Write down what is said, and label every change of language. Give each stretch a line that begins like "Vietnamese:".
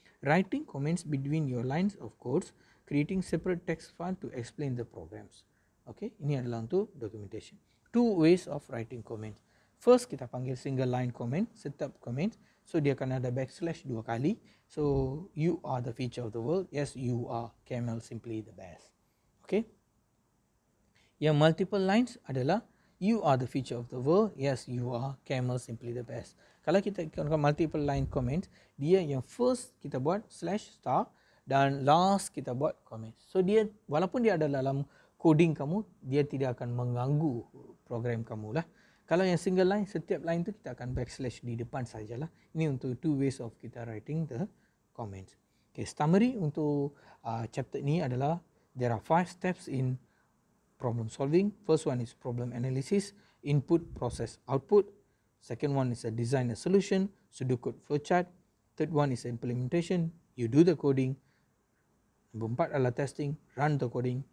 English: Writing comments between your lines of code, creating separate text file to explain the programs.
Malay: Okay, ini adalah untuk documentation.
English: Two ways of writing comments. First,
Malay: kita panggil
English: single line comment, setup comment.
Malay: So, dia akan ada backslash dua kali.
English: So, you are the feature of the world. Yes, you are. KML simply the best. Okay. Yang multiple lines adalah You are the future of the world. Yes, you are. Camel simply the best.
Malay: Kalau kita guna multiple line comment, dia yang first kita buat slash star dan last kita buat comment. So dia walaupun dia ada dalam coding kamu, dia tidak akan mengganggu program kamu lah. Kalau yang single line, setiap line tu kita akan backslash di depan sajalah. Ini untuk
English: two ways of kita writing the comments. Okay, summary
Malay: untuk chapter ni adalah
English: there are five steps in problem solving. First one is problem analysis, input, process, output. Second one is a design a solution, pseudocode, flowchart. Third one is implementation, you do the coding. Number
Malay: empat adalah
English: testing, run the coding.